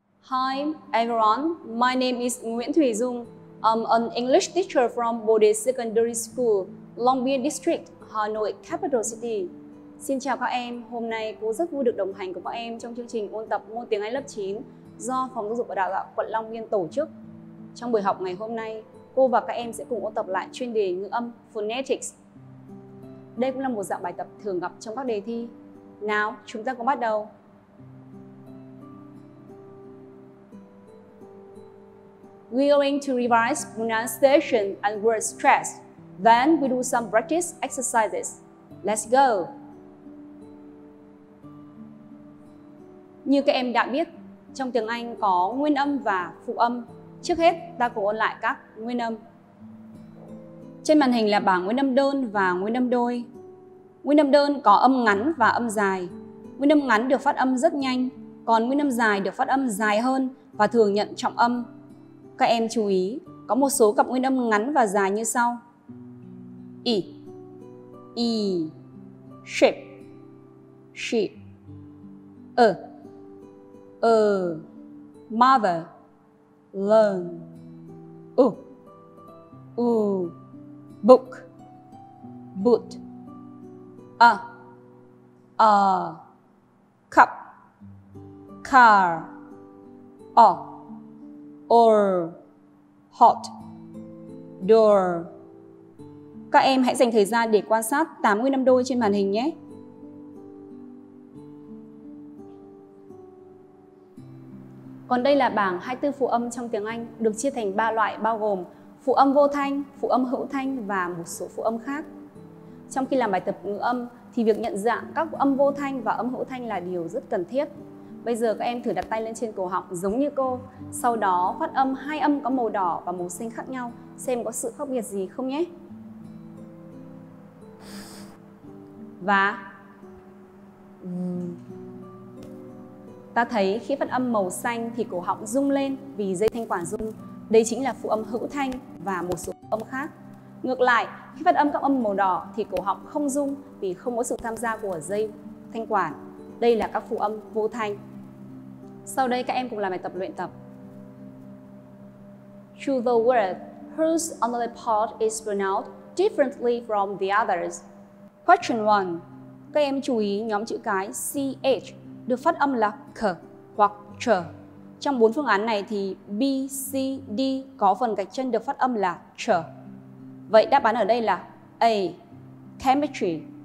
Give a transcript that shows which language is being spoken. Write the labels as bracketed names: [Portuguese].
[English] Hi everyone, my name is Nguyễn Thùy Dung. I'm an English teacher from Bồ Đề Secondary School, Long Biên District, Hà Nội, Capital City. [Vietnamese] Xin chào các em, hôm nay cô rất vui được đồng hành cùng các em trong chương trình ôn tập môn tiếng Anh lớp 9 do Phòng Giáo dục và Đào tạo quận Long Biên tổ chức. Trong buổi học ngày hôm nay, cô và các em sẽ cùng ôn tập lại chuyên đề ngữ âm Phonetics. Đây cũng là một dạng bài tập thường gặp trong các đề thi. Nào, chúng ta cùng bắt đầu. [English] We're going to revise pronunciation and word stress. Then we do some practice exercises. Let's go! [Vietnamese] Như các em đã biết, trong tiếng Anh có nguyên âm và phụ âm. Trước hết, ta cùng ôn lại các nguyên âm. Trên màn hình là bảng nguyên âm đơn và nguyên âm đôi. Nguyên âm đơn có âm ngắn và âm dài. Nguyên âm ngắn được phát âm rất nhanh, còn nguyên âm dài được phát âm dài hơn và thường nhận trọng âm. Các em chú ý, có một số cặp nguyên âm ngắn và dài như sau. [English] I, I, ship, ship, a, a, mother, learn, u, u, book, boot, a, cup, car, o, or, hot, door. [Vietnamese] Các em hãy dành thời gian để quan sát 8 nguyên âm đôi trên màn hình nhé. Còn đây là bảng 24 phụ âm trong tiếng Anh, được chia thành 3 loại bao gồm phụ âm vô thanh, phụ âm hữu thanh và một số phụ âm khác. Trong khi làm bài tập ngữ âm thì việc nhận dạng các âm vô thanh và âm hữu thanh là điều rất cần thiết. Bây giờ các em thử đặt tay lên trên cổ họng giống như cô, sau đó phát âm hai âm có màu đỏ và màu xanh khác nhau, xem có sự khác biệt gì không nhé. Và ta thấy khi phát âm màu xanh thì cổ họng rung lên vì dây thanh quản rung. Đây chính là phụ âm hữu thanh và một số âm khác. Ngược lại, khi phát âm các âm màu đỏ thì cổ họng không rung vì không có sự tham gia của dây thanh quản. Đây là các phụ âm vô thanh. Sau đây các em cùng làm bài tập luyện tập. [English] Choose the word whose only part is pronounced differently from the others. Question 1. [Vietnamese] Các em chú ý nhóm chữ cái CH được phát âm là k hoặc ch. Trong 4 phương án này thì B, C, D có phần gạch chân được phát âm là ch. Vậy đáp án ở đây là A, chemistry.